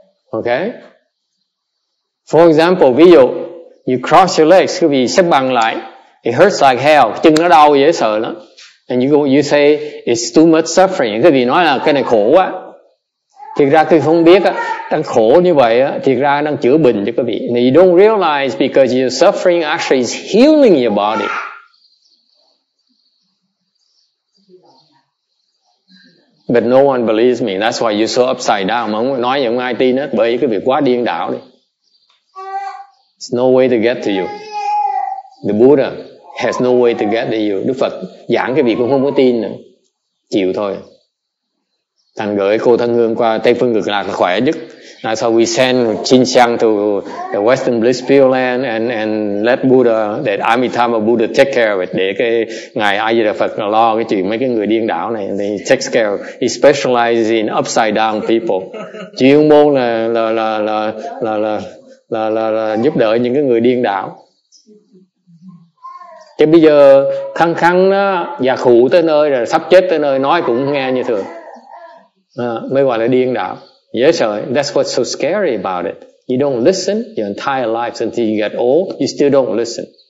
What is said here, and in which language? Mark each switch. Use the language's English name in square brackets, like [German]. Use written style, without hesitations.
[English] Okay. For example, [Vietnamese] ví dụ, [English] you cross your legs, [Vietnamese] quý vị xếp bằng lại, [English] it hurts like hell, [Vietnamese] chân nó đau dễ sợ lắm. [English] And you say it's too much suffering, [Vietnamese] quý vị nói là cái này khổ quá. Thiệt ra tôi không biết á, đang khổ như vậy á, thiệt ra đang chữa bệnh cho quý vị. [English] And you don't realize because your suffering actually is healing your body. But no one believes me. That's why you're so upside down. [Vietnamese] Mà không nói gì không ai tin hết. Bởi vì cái việc quá điên đảo đi. [English] There's no way to get to you. The Buddha has no way to get to you. [Vietnamese] Đức Phật giảng cái việc cũng không có tin nữa. Chịu thôi. Thành gửi cô Thân Hương qua Tây Phương Cực Lạc là khỏe nhất. [English] That's how we send Chin Chang to the Western Blissfield Land and let Buddha, that Amitabha Buddha take care of it. [Vietnamese] Để cái Ngài Ajita Phật lo cái chuyện mấy cái người điên đảo này. [English] He takes care of it. He specializes in upside down people. [Vietnamese] Chuyên môn là giúp đỡ những cái người điên đảo. Chứ bây giờ khăng khăng đó, già khủ tới nơi rồi, sắp chết tới nơi, nói cũng nghe như thường. Mới gọi là điên đạo. Dễ sợ. [English] That's what's so scary about it. You don't listen your entire life until you get old, you still don't listen.